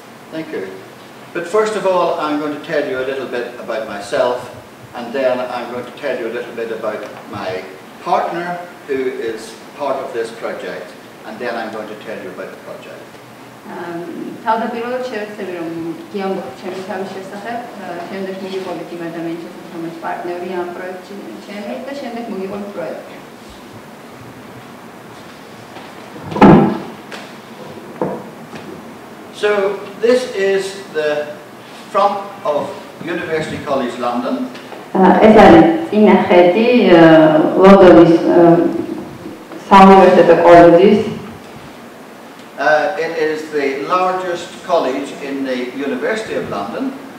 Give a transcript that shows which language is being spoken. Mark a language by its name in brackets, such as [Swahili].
[English] Thank you. But first of all, I'm going to tell you a little bit about myself And then I'm going to tell you a little bit about my partner who is part of this project, and then I'm going to tell you about the project. [Georgian] თავდაპირველად შევეცდები რომ გიამბობ ჩემი თავის შესახებ, შემდეგ მიიყვებით იმ ადამიანს, რომელიც პარტნიორია ამ პროექტში, ჩემი და შემდეგ მიიყვებით პროექტი. [English] So this is the front of University College London. [Georgian] ეს არის წინა ხედი ლონდონის საუნივერსიტეტო კოლეჯის. [English] It is the largest college in the University of London.